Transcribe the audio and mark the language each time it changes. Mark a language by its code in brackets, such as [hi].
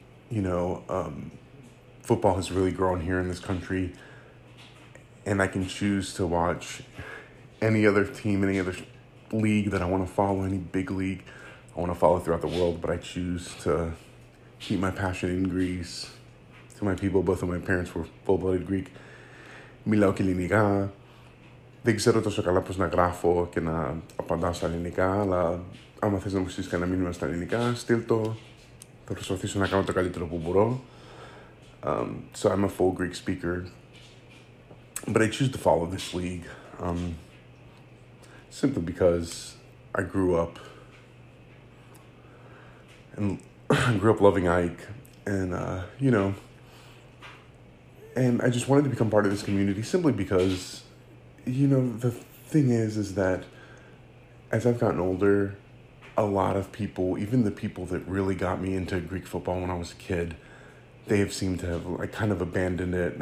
[en] You know, football has really grown here in this country, and I can choose to watch any other team, any other league that I want to follow, any big league I want to follow throughout the world, but I choose to keep my passion in Greece. To my people, both of my parents were full-blooded Greek. [el] Μιλάω και ελληνικά. Δεν ξέρω τόσο καλά πώς να γράφω και να απαντάω στα ελληνικά, αλλά άμα θες να μου στείλεις κανένα μήνυμα στα ελληνικά, στείλ το. Θα προσπαθήσω να κάνω το καλύτερο που μπορώ. [en] So I'm a full Greek speaker. But I choose to follow this league. Simply because I grew up and grew up loving Ike, and you know, and I just wanted to become part of this community simply because, you know, the thing is that as I've gotten older, a lot of people, even the people that really got me into Greek football when I was a kid, they have seemed to have like kind of abandoned it.